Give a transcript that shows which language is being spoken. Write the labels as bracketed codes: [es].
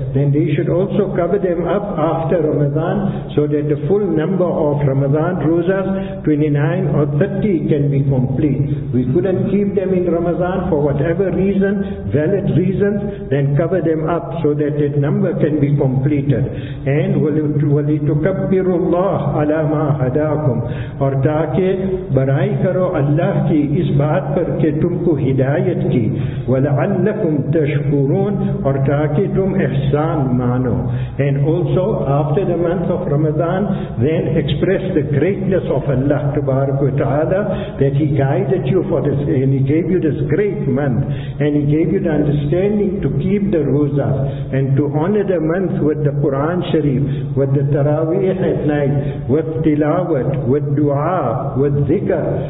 [en] Then they should also cover them up after Ramadan, so that the full number of Ramadan rozas, 29 or 30, can be complete. We couldn't keep them in Ramadan for whatever reason, valid reasons, then cover them up so that that number can be completed. [ur] And [ar] وَلِتُكَبِّرُ اللَّهُ عَلَى مَا هَدَاكُمْ [ur] اور تاکہ برائی کرو اللہ کی اس بات پر کہ تم کو ہدایت کی [ar] وَلَعَلَّكُمْ تَشْكُرُونَ [ur] اور تاکہ تم احسان مانو. [en] And also after the month of Ramadan, then express the greatness of Allah تبارک و تعالی, that He guided you for this and He gave you this great month and He gave you the understanding to keep the rozas and to honor the month with the Quran Sharif, with the Taraweeh at night, with tilawat, with dua, with zikr.